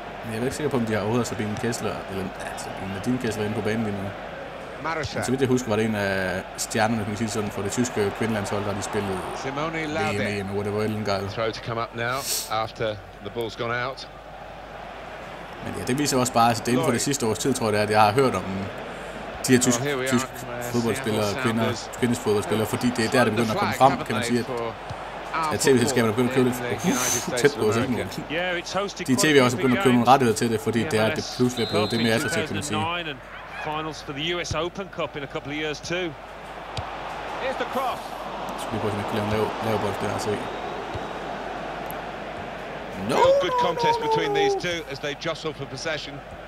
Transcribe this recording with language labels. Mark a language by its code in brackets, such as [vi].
[da] Jeg er ikke sikker på, om de har overhovedet Sabine Kessler, eller Nadine Kessler inde på banen lige nu. Men så vidt jeg husker, var det en af stjernerne, kan man sige sådan, for det tyske kvindelandshold, der de spillede Simone Laudy. VM, hvor det var ellen gejl. [en] Throw to come up now, after the ball's gone out. [da] Men ja, det viser også bare, at altså, det inden for det sidste års tid, tror jeg, det er, at jeg har hørt om de her tyske fodboldspillere, kvindes fodboldspillere, fordi det er der, det begynder at komme frem, kan man sige, at tv-selskaberne begynder at købe lidt tæt på os, ikke? De tv også begynder at købe nogle rettigheder til det, fordi det er, at det pludselig er blevet det mere attraktivt, kan man sige. [en] Finals for the US Open Cup in a couple of years too. Here's the cross. [da] Skal vi prøve at lave lavebold der, se. [en] No good contest between these two as they jostle for possession.